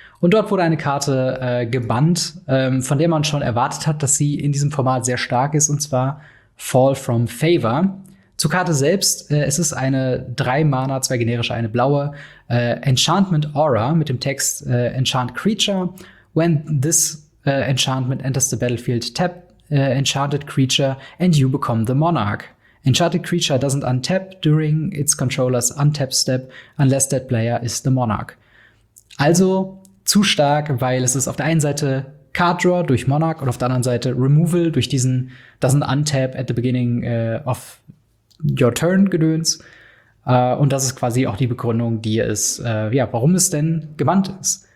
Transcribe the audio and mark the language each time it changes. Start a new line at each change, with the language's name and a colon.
German: Und dort wurde eine Karte gebannt, von der man schon erwartet hat, dass sie in diesem Format sehr stark ist, und zwar Fall from Favor. Zur Karte selbst, es ist eine 3-Mana, 2 generische, eine blaue, Enchantment Aura mit dem Text Enchant Creature.
English: When this Enchantment enters the battlefield, tap Enchanted Creature and you become the Monarch. Enchanted Creature doesn't untap during its controller's untap step unless that player is the Monarch.
German: Also zu stark, weil es ist auf der einen Seite Card Draw durch Monarch und auf der anderen Seite Removal durch diesen
English: doesn't untap at the beginning of Your Turn
German: Gedöns. Und das ist quasi auch die Begründung, die es, warum es denn gebannt ist.